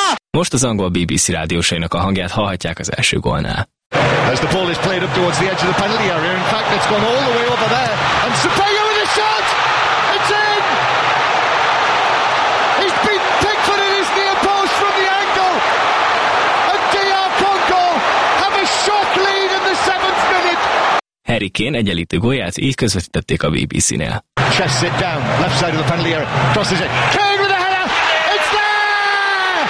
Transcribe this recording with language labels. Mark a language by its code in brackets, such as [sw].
[hu] Most az angol BBC rádiósainak a hangját hallhatják az első gólnál. [en] As the ball is played up towards the edge of the penalty area, in fact it's gone all the way over there, and Cipenga with a shot! It's in! He's beat Pickford in his near post from the angle, and DR Congo have a short lead in the 7th minute! [hu] Harry Kane egyenlítő gólját így közvetítették a BBC-nél. [en] Chests it down, left side of the penalty area, crosses it, Kane with a header, it's there!